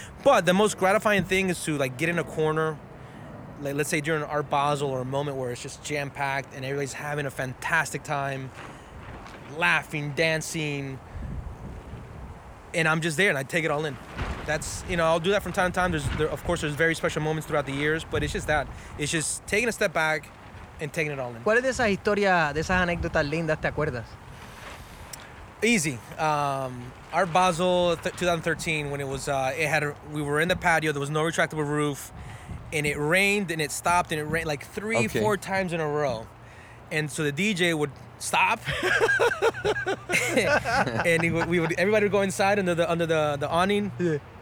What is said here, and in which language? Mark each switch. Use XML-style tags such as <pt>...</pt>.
<en>But the most gratifying thing is to like get in a corner. Like, let's say during Art Basel or a moment where it's just jam-packed and everybody's having a fantastic time, laughing, dancing, and I'm just there and I take it all in. That's, you know, I'll do that from time to time. There's very special moments throughout the years, but it's just that. It's just taking a step back and taking it all in.</en> <es>¿Cuál es de esa historia, de esas anécdotas lindas te acuerdas?</es> <en>Easy. Art Basel 2013, when it was, we were in the patio, there was no retractable roof, and it rained and it stopped and it rained like three, okay, four times in a row. And so the DJ would stop. And everybody would go inside under the awning. Yeah.</en>